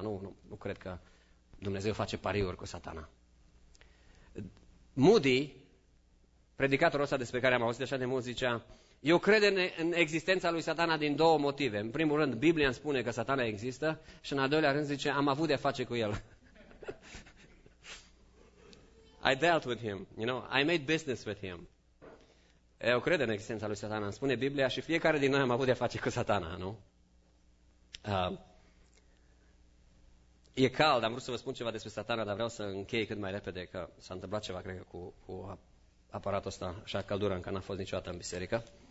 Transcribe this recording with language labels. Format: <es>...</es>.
<ro>Nu cred că Dumnezeu face pariuri cu satana. Moody, predicatorul ăsta despre care am auzit așa de mult, zicea, eu cred în existența lui satana din două motive. În primul rând, Biblia îmi spune că satana există și în al doilea rând zice, am avut de-a face cu el.</ro> <en>I dealt with him, you know, I made business with him.</en> <ro>Eu cred în existența lui satana, îmi spune Biblia și fiecare din noi am avut de-a face cu satana, nu? E cald, am vrut să vă spun ceva despre satana, dar vreau să închei cât mai repede, că s-a întâmplat ceva, cred că, cu aparatul ăsta, așa căldură, încă n-a fost niciodată în biserică.</ro>